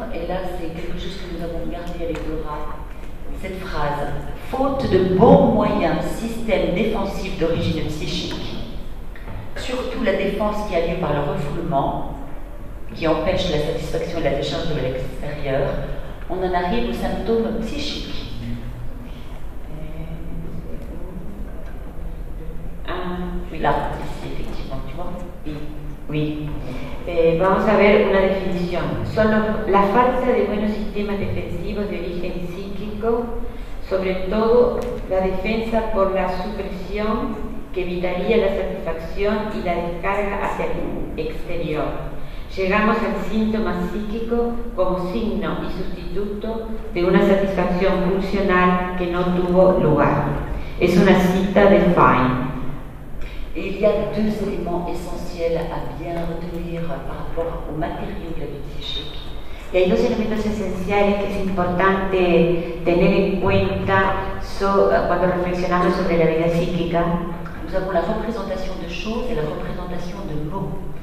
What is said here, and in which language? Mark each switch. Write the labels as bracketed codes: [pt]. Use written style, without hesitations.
[fr] Et là, c'est quelque chose que nous avons gardé avec Laura. Cette phrase: faute de bons moyens, système défensif d'origine psychique, surtout la défense qui a lieu par le refoulement, qui empêche la satisfaction et la décharge de l'extérieur, on en arrive aux symptômes psychiques. Oui, là, ici, effectivement, tu vois. Oui. [es] Vamos a ver una definición. Son la falta de buenos sistemas defensivos de origen psíquico, sobre todo la defensa por la supresión que evitaría la satisfacción y la descarga hacia el exterior. Llegamos al síntoma psíquico como signo y sustituto de una satisfacción funcional que no tuvo lugar. Es una cita de Fine. [fr] Il y a deux éléments essentiels à bien retenir par rapport au matériau de la vie psychique. [es] Y hay dos elementos esenciales que es importante tener en cuenta cuando reflexionamos sobre la vida psíquica. [fr] Nous avons la représentation de choses et la représentation de mots.